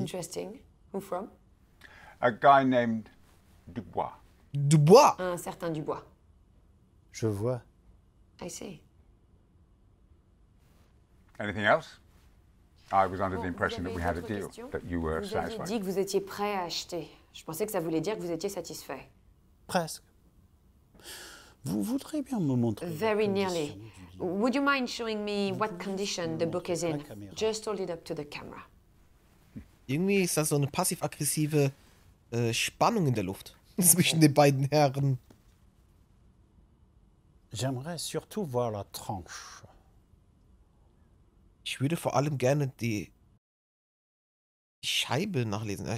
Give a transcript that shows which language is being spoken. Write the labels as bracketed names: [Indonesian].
[English] Interesting. Who from? A guy named Dubois. Dubois? [French] Un certain Dubois. Je vois. [English] I see. Anything else? I was under the impression that we had a deal, that you were satisfied. [French] Vous avez dit que vous étiez prêt à acheter. Je pensais que ça voulait dire que vous étiez satisfait. Presque. Vous voudriez bien me montrer. [English] Very nearly. Would you mind showing me what condition the book is in? Just hold it up to the camera. [German] Irgendwie ist das so eine passiv-aggressive Spannung in der Luft zwischen den beiden Herren. [French] J'aimerais surtout voir la tranche. [German] Ich würde vor allem gerne die Scheibe nachlesen.